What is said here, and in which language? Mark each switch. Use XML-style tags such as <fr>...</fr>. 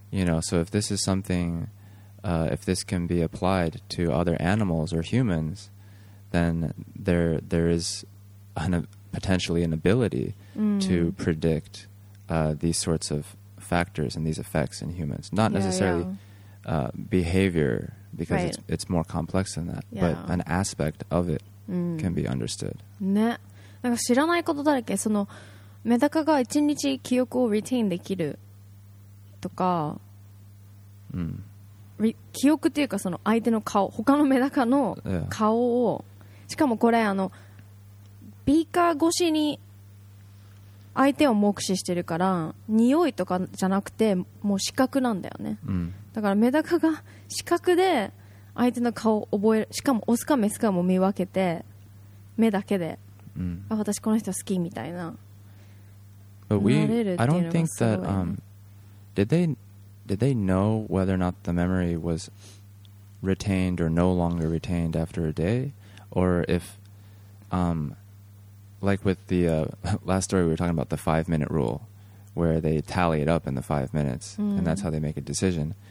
<en>You know, so if this is something, if this can be applied to other animals or humans, then there is potentially an ability to predict these sorts of factors and these effects in humans. Not necessarily behavior, because it's more complex than that, but an aspect of it can be understood.</en> <ja>ね、なんか知らないことだらけ。そのメダカが1日記憶をリテインできるとか、記憶っていうかその相手の顔、他のメダカの顔を、しかもこれあのビーカー越しに相手を目視してるから匂いとかじゃなくてもう視覚なんだよね、だからメダカが視覚で相手の顔を覚える、しかもオスかメスかも見分けて目だけで、あ、私この人好きみたいな。</ja> <en>But we, I don't think that, did they know whether or not the memory was retained or no longer retained after a day? Or if, like with the last story we were talking about, the 5-minute rule, where they tally it up in the 5 minutes, and that's how they make a decision.</en>